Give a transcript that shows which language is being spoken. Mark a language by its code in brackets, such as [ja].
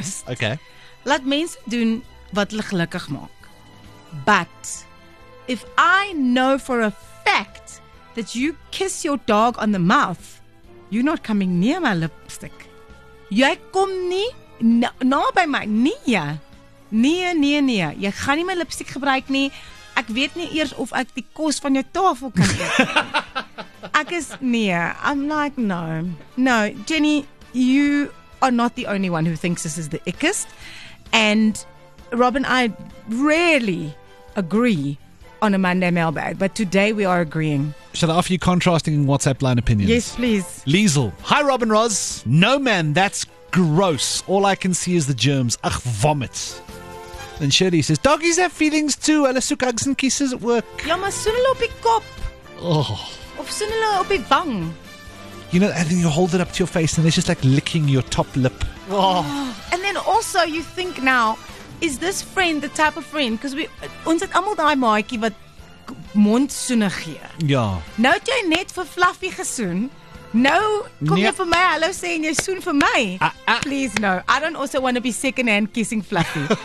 [en] okay. [af] Laat mense doen wat hulle gelukkig maak. [en] But if I know for a fact that you kiss your dog on the mouth, you're not coming near my lipstick. [af] Jy kom nie na by my nie. Nee. Jy gaan nie my lipstick gebruik nie. Ek weet nie eers of ek die kos van jou tafel kan eet. Ek is nee. [en] I'm like, no. No, Jenny, you are not the only one who thinks this is the ickest. And Robin, I rarely agree on a Monday mailbag, but today we are agreeing. Shall I offer you contrasting WhatsApp line opinions? Yes, please. Liesel. Hi, Robin Roz. No, man, that's gross. All I can see is the germs. Ugh, vomit. And Shirley says, doggies have feelings too. [af] Hulle soek [en] hugs and kisses at work. [af] Ja, maar soen hulle op die kop. Of soen hulle op die wang. [en] You know, and then you hold it up to your face and it's just like licking your top lip. And then also you think now, is this friend the type of friend? Because we, [af] ons het allemaal die maaikie wat mondsoene gee. Ja. Nou het jy net vir Fluffy gesoen. Nou kom jy vir my hallo sê en jy soen vir my. [en] Please no. I don't also want to be second hand kissing Fluffy.